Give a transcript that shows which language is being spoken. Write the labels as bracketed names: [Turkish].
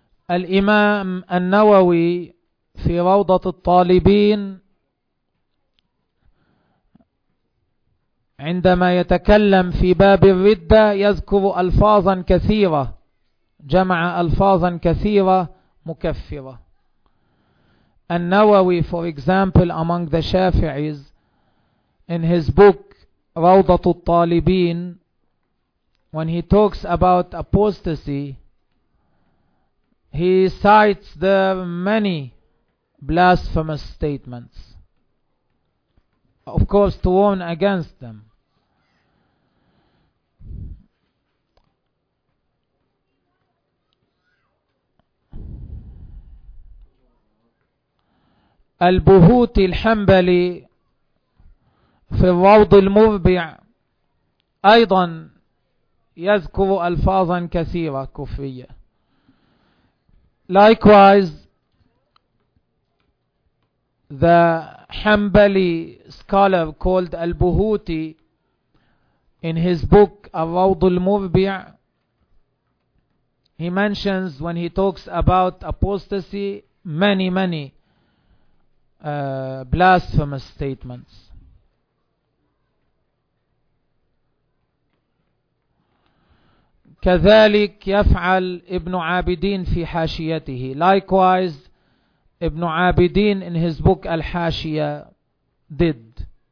[Arabic] الإمام النووي في روضة الطالبين عندما يتكلم في باب الردة يذكر ألفاظا كثيرة, جمع ألفاظا كثيرة مكفرة. [English] النووي, for example, among the Shafi'is, in his book روضة الطالبين, when he talks about apostasy, he cites there many blasphemous statements, of course to warn against them. [Arabic] البهوتي الحنبلي في الروض المربع أيضا يذكر ألفاظا كثيرة كفرية. [English] Likewise, the Hanbali scholar called Al-Buhuti in his book Al-Rawd al-Murbi', he mentions, when he talks about apostasy, many blasphemous statements. [Arabic] كذلك يفعل ابن عابدين في حاشيته. [English] Likewise, ابن عابدين in his book الحاشية did.